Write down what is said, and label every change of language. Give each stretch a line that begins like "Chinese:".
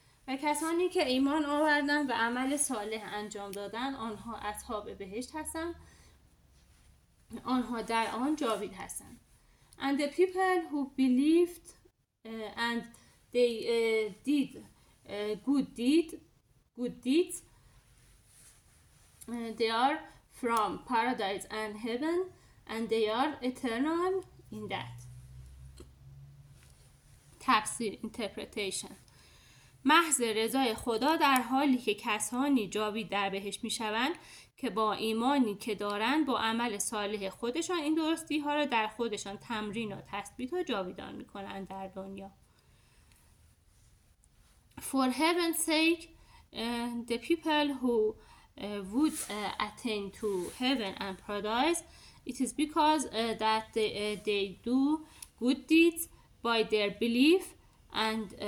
Persian: و کسانی که ایمان آوردند و عمل صالح انجام دادند آنها اصحاب بهشت هستند. آنها در آن جاوید هستند.
English: And the people who believed and they did good deeds they are from paradise and heaven. And they are eternal in that.
Persian: تفسیر interpretation. محض رضای خدا در حالی که کسانی جاوید در بهشت می شوند که با ایمانی که دارند با عمل صالح خودشان این درستی ها را در خودشان تمرین و تثبیت و جاویدان می کنند در دنیا.
English: For heaven's sake, the people who would attain to heaven and paradise, it is because that they do good deeds by their belief, and